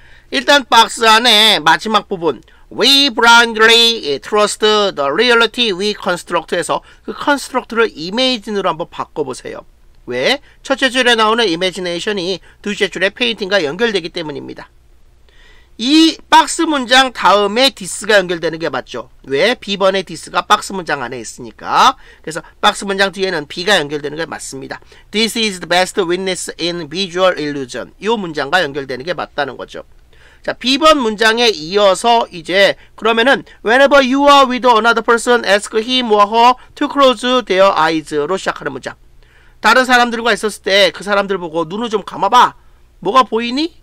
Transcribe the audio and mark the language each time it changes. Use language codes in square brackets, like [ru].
[ko] 일단 박스 안에 마지막 부분 [en] We blindly trust the reality we construct [ko] 에서 그 construct를 imagine으로 한번 바꿔보세요. 왜? 첫째 줄에 나오는 imagination이 둘째 줄의 painting과 연결되기 때문입니다. 이 박스 문장 다음에 this가 연결되는 게 맞죠. 왜? B번의 this가 박스 문장 안에 있으니까. 그래서 박스 문장 뒤에는 B가 연결되는 게 맞습니다. [en] This is the best witness in visual illusion. [ko] 이 문장과 연결되는 게 맞다는 거죠. 자, B번 문장에 이어서 이제 그러면은 [en] whenever you are with another person, ask him or her to close their eyes [ko] 로 시작하는 문장. 다른 사람들과 있었을 때 그 사람들 보고 눈을 좀 감아봐. 뭐가 보이니?